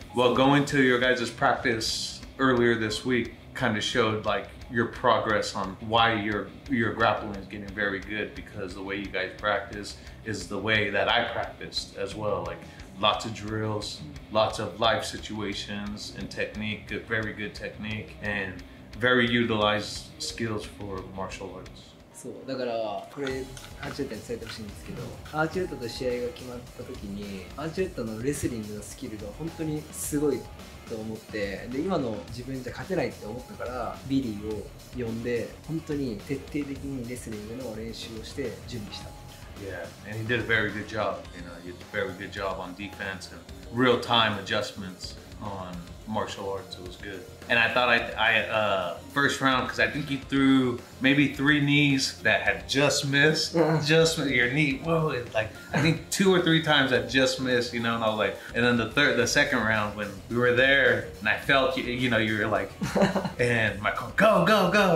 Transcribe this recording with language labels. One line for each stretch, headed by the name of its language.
English: Well, going to your guys' practice earlier this week kind of showed like your progress on why your grappling is getting very good because the way you guys practice is the way that I practiced as well. Like lots of drills, lots of life situations and technique, a very good technique. And. Very utilized skills for martial arts.
Japanese: そう、だからこれアーチェレッタに伝えてほしいんですけど、アーチェレッタと試合が決まった時にアーチェレッタのレスリングのスキルが本当にすごいと思って、で今の自分じゃ勝てないって思ったからビリーを呼んで本当に徹底的にレスリングの練習をして準備した。
English: Yeah, and he did a very good job. You know, he did a very good job on defense and real time adjustments onMartial arts, it was good. And I thought I first round, because I think he threw maybe three knees that had just missed. Just your knee, whoa, it, like, I think two or three times I just missed, you know, and I was like, and then the second round when we were there and I felt, you know, you were like, and my coach, go, go, go.